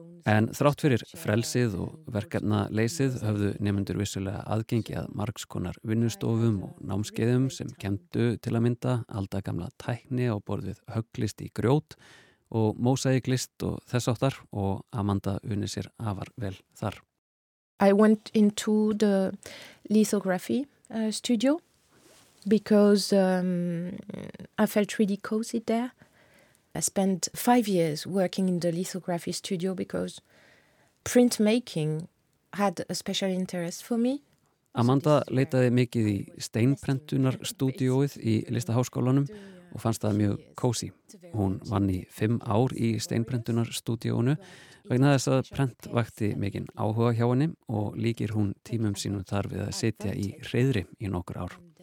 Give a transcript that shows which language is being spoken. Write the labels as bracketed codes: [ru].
[is] En þrátt fyrir frelsið og verkefna leysið höfðu nemendur vissulega aðgengi að margskonar vinnustofum og námskeiðum sem kenndu til að mynda aldagamla tækni og borðið höglist í grjót og mósaiklist og þessáttar og Amanda unni sér afar vel þar. [en] I went into the lithography studio because I felt really cozy there. I spent 5 years working in the lithography studio because printmaking had a special interest for me. [is] Amanda leitaði mikið í steinprentunarstúdíóið í listaháskólanum og fannst það mjög kósi. Hún vann í 5 ár í steinprentunarstúdíóinu vegna þess að prent vakti mikinn áhuga hjá henni og líkir hún tímum sínum þar við að sitja í hreiðri í nokkur ár.